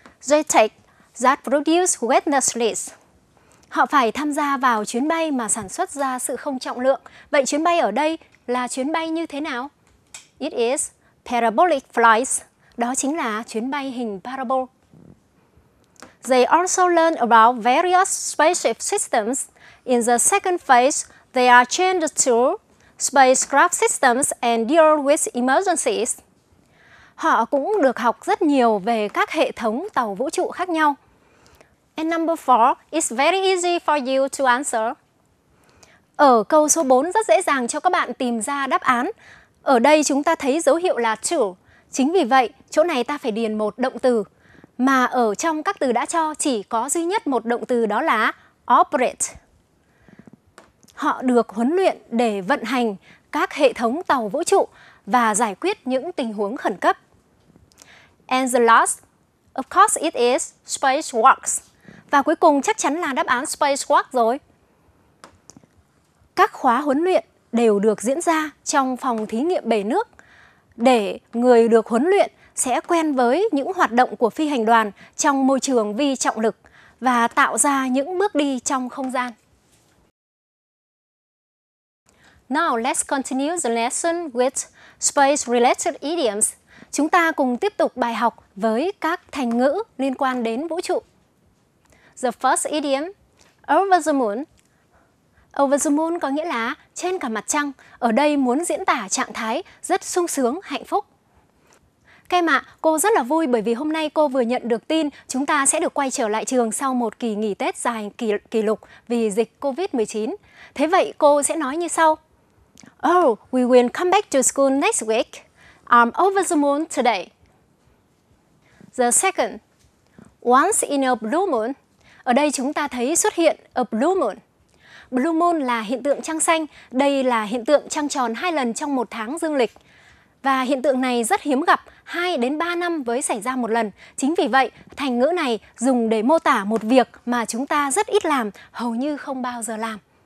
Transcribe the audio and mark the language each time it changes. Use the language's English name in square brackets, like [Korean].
[English] They take that produce wetness list. [Vietnamese] Họ phải tham gia vào chuyến bay mà sản xuất ra sự không trọng lượng. Vậy chuyến bay ở đây là chuyến bay như thế nào? [English] It is parabolic flights. [Vietnamese] Đó chính là chuyến bay hình parabol. [English] They also learn about various spaceship systems. In the second phase, they are trained to spacecraft systems and deal with emergencies. [Vietnamese] Họ cũng được học rất nhiều về các hệ thống tàu vũ trụ khác nhau. [English] And number four, it's very easy for you to answer. [Vietnamese] Ở câu số 4 rất dễ dàng cho các bạn tìm ra đáp án. Ở đây chúng ta thấy dấu hiệu là to. Chính vì vậy, chỗ này ta phải điền một động từ. Mà ở trong các từ đã cho, chỉ có duy nhất một động từ, đó là operate. Họ được huấn luyện để vận hành các hệ thống tàu vũ trụ và giải quyết những tình huống khẩn cấp. [English] And the last, of course it is spacewalks. [Vietnamese] Và cuối cùng chắc chắn là đáp án spacewalk rồi. Các khóa huấn luyện đều được diễn ra trong phòng thí nghiệm bể nước để người được huấn luyện sẽ quen với những hoạt động của phi hành đoàn trong môi trường vi trọng lực và tạo ra những bước đi trong không gian. [English] Now let's continue the lesson with space-related idioms. [Vietnamese] Chúng ta cùng tiếp tục bài học với các thành ngữ liên quan đến vũ trụ. [English] The first idiom, over the moon. Over the moon [Vietnamese] có nghĩa là trên cả mặt trăng. Ở đây muốn diễn tả trạng thái rất sung sướng, hạnh phúc. Các em ạ, cô rất là vui bởi vì hôm nay cô vừa nhận được tin chúng ta sẽ được quay trở lại trường sau một kỳ nghỉ Tết dài kỷ lục vì dịch COVID-19. Thế vậy cô sẽ nói như sau. [English] Oh, we will come back to school next week. I'm over the moon today. The second, once in a blue moon. [Vietnamese] Ở đây chúng ta thấy xuất hiện [English] a blue moon. [Vietnamese] Blue moon là hiện tượng trăng xanh. Đây là hiện tượng trăng tròn hai lần trong một tháng dương lịch. Và hiện tượng này rất hiếm gặp, 2 đến 3 năm mới xảy ra một lần. Chính vì vậy, thành ngữ này dùng để mô tả một việc mà chúng ta rất ít làm, hầu như không bao giờ làm.